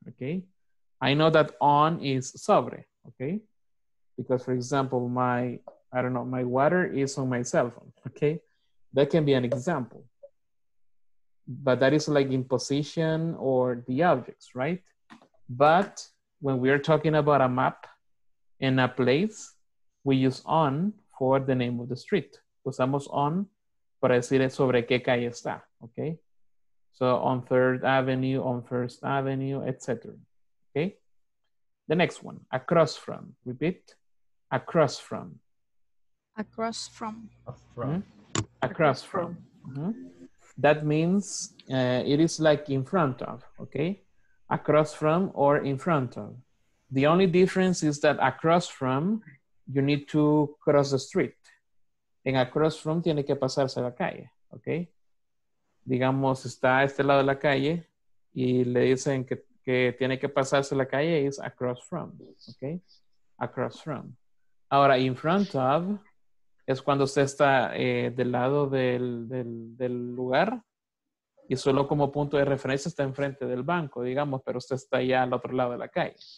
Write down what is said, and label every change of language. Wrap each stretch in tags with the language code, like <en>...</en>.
<en>Okay, I know that on is sobre. Okay, because for example, my water is on my cell phone. Okay, that can be an example. But that is like in position or the objects, right? But when we are talking about a map and a place, we use on for the name of the street.</en> <es>Usamos on para decir sobre qué calle está, okay?</es> <en>So on Third Avenue, on First Avenue, etc. Okay? The next one, across from. Repeat, across from. Across from. Across from. Mm-hmm. Across from. That means it is like in front of, okay? Across from or in front of. The only difference is that across from, you need to cross the street.</en> <es>En across from tiene que pasarse la calle, okay? Digamos, está a este lado de la calle y le dicen que tiene que pasarse la calle</es> <en>is across from,</en> <es>okay? Across from. Ahora, in front of es cuando usted está del lado del lugar y solo como punto de referencia está enfrente del banco, digamos, pero usted está ya al otro lado de la calle.</es>